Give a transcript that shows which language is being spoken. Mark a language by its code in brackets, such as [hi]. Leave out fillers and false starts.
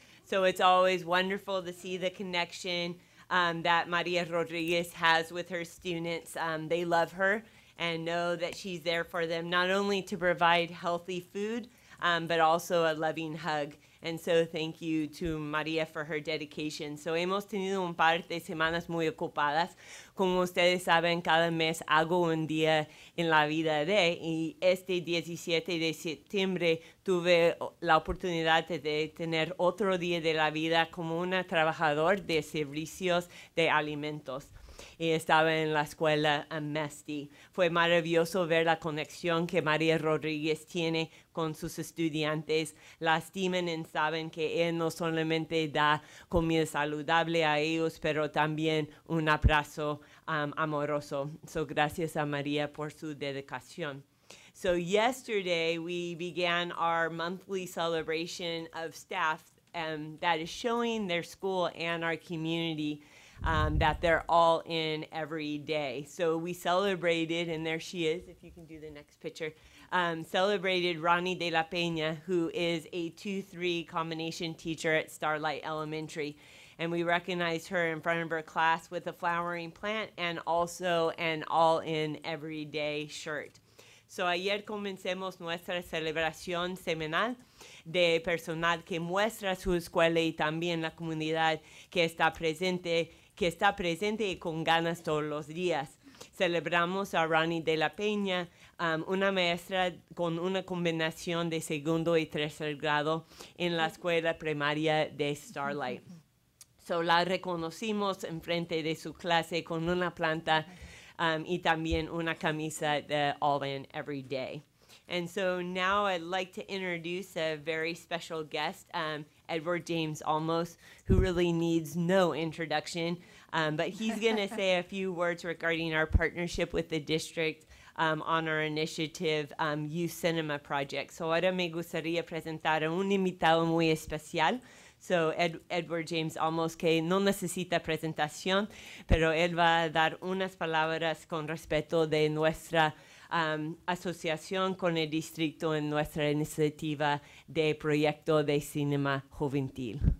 [en] So it's always wonderful to see the connection that Maria Rodriguez has with her students. They love her and know that she's there for them, not only to provide healthy food, but also a loving hug. And so thank you to Maria for her dedication. [es] So hemos tenido un par de semanas muy ocupadas. Como ustedes saben, cada mes hago un día en la vida de, y este 17 de septiembre tuve la oportunidad de tener otro día de la vida como una trabajadora de servicios de alimentos. Y estaba en la escuela Amesti. Fue maravilloso ver la conexión que María Rodríguez tiene con sus estudiantes. Lastiman y saben que él no solamente da comida saludable a ellos, pero también un abrazo amoroso. So, gracias a María por su dedicación. [en] So, yesterday we began our monthly celebration of staff that is showing their school and our community that they're all in every day. So we celebrated, and there she is, if you can do the next picture, celebrated Ronnie de la Peña, who is a 2-3 combination teacher at Starlight Elementary. And we recognized her in front of her class with a flowering plant and also an all-in everyday shirt. [es] So ayer comencemos nuestra celebración semanal de personal que muestra su escuela y también la comunidad que está presente y con ganas todos los días. Celebramos a Ronnie de la Peña, una maestra con una combinación de segundo y tercer grado en la escuela primaria de Starlight. So la reconocimos en frente de su clase con una planta y también una camisa de All In Every Day. [en] And so now I'd like to introduce a very special guest, Edward James Olmos, who really needs no introduction, but he's going to say a few words regarding our partnership with the district on our initiative, Youth Cinema Project. [es] So ahora me gustaría presentar a un invitado muy especial. So Edward James Olmos, que no necesita presentación, pero él va a dar unas palabras con respecto de nuestra asociación con el distrito en nuestra iniciativa de proyecto de cinema juvenil.